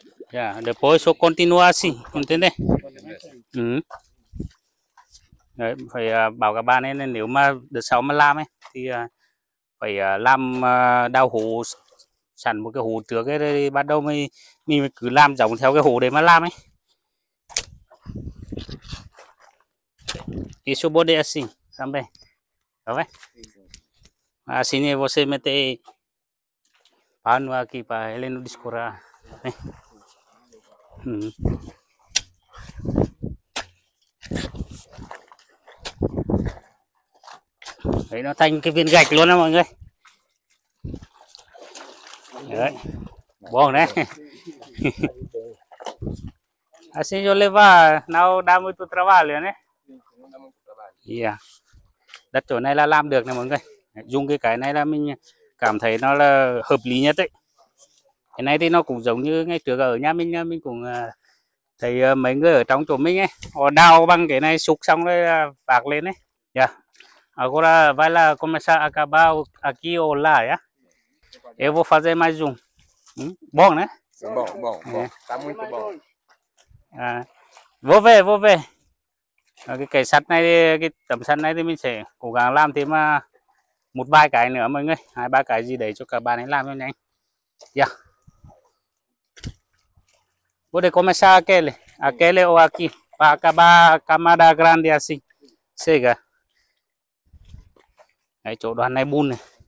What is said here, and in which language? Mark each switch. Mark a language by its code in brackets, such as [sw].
[pt] Já, depois só continua assim, entendeu? [vi] Đấy, phải bảo cả bạn ấy, nên nếu mà đợt sau mà làm ấy, thì phải làm đào hố sẵn một cái hồ trước ấy, đây bắt đầu mình cứ làm giống theo cái hồ để mà làm ấy. [pt] Isso pode assim também. Tá vendo? Assim é você meter pano aqui para ele não descurar. [vi] Đấy, nó thành cái viên gạch luôn đó mọi người. [pt] Đấy. Bom, né? Assim eu levar, não dá muito trabalho, né? [en] Yeah. [vi] Đất chỗ này là làm được nè mọi người. Dùng cái này là mình cảm thấy nó là hợp lý nhất đấy. Cái này thì nó cũng giống như ngay trước ở nhà mình cũng thấy mấy người ở trong chỗ mình ấy, họ đào bằng cái này xúc xong rồi vạc lên ấy. Yeah. [pt] Agora vai lá começar a acabar aqui ou lá, é? Eu vou fazer mais um. Bom, né? Sim, bom, bom, bom. Tá muito bom. Vou ver, vou ver. [vi] Cái sắt này, cái tấm sắt này thì mình sẽ cố gắng làm thêm một vài cái nữa mọi người, hai ba cái gì đấy cho cả bạn ấy làm cho nhanh. Dạ. [pt] Vou de começar aquele, aquele ou aqui, para acabar a camada grande assim, chega. [vi] Aí, chỗ đoàn này bùn này.